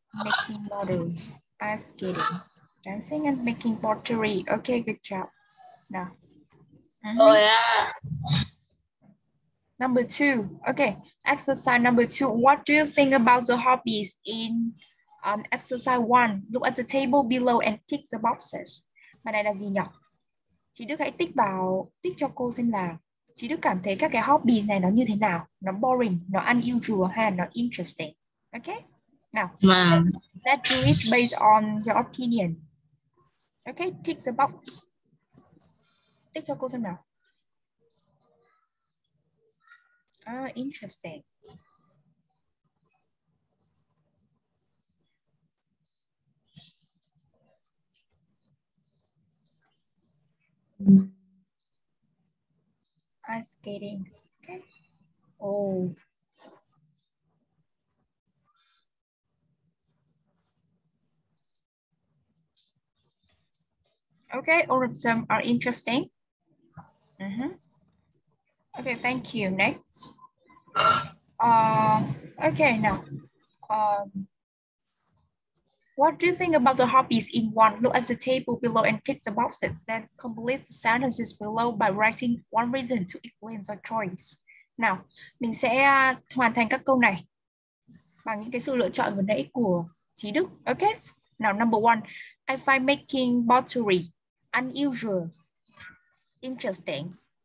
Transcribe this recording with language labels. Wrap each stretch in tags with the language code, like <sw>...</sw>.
<en>Making models, ice skating, dancing and making pottery. Okay, good job. Now. Number two. Okay, exercise number two. What do you think about the hobbies in exercise one? Look at the table below and tick the boxes.</en> <vi>Bài này là gì nhỉ? Chị Đức hãy tích vào, tích cho cô xem là chị Đức cảm thấy các cái hobby này nó như thế nào. Nó</vi> <en>boring,</en> <vi>nó</vi> <en>unusual</en> <vi>hay là nó</vi> <en>interesting.</en> <vi>Ok? Nào,</vi> <en>let's do it based on your opinion. Ok, tick the box.</en> <vi>tích cho cô xem nào.</vi> <en>Ah, interesting. Ice skating. Okay. Oh. Okay, all of them are interesting. Okay, thank you. Next. Okay, now. What do you think about the hobbies in one? Look at the table below and tick the boxes. Then complete the sentences below by writing one reason to explain the choice. Now,</en> <vi>mình sẽ hoàn thành các câu này bằng những cái sự lựa chọn vừa nãy của Chí Đức.</vi> <en>Okay. Now, number one, I find making pottery unusual, interesting.</en>